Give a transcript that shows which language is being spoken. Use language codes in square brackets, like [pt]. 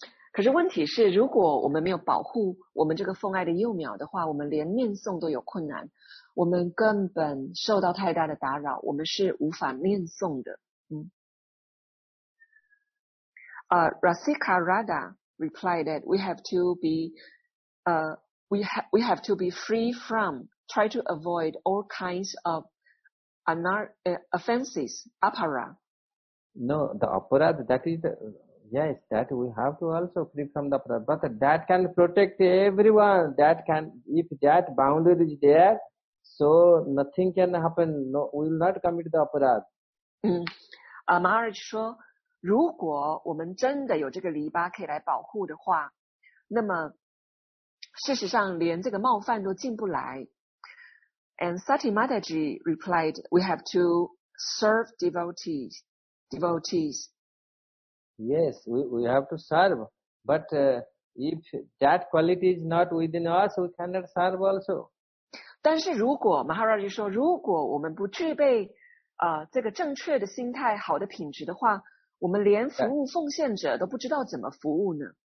[zh] 可是问题是, 如果我们没有保护, 我们这个奉爱的幼苗的话, 我们连念诵都有困难, 我们根本受到太大的打扰, 我们是无法念诵的, [en] Rasika Radha replied that we have to be free from, try to avoid all kinds of offenses, apara. No, the apara, that is the, yes, that we have to also free from the apara, but that can protect everyone. That can, if that boundary is there, so nothing can happen. No, we will not commit the apara. [zh] Maharaj 说, 如果我们真的有这个篱笆可以来保护的话, 那么事实上连这个冒犯都进不来。 [en] And Sati Mataji replied, we have to serve devotees. Yes, we have to serve. But if that quality is not within us, we cannot serve also. [zh] 但是如果, Maharaj 说, 如果我们不具备, 这个正确的心态, 好的品质的话, 我们连服务奉献者都不知道怎么服务呢?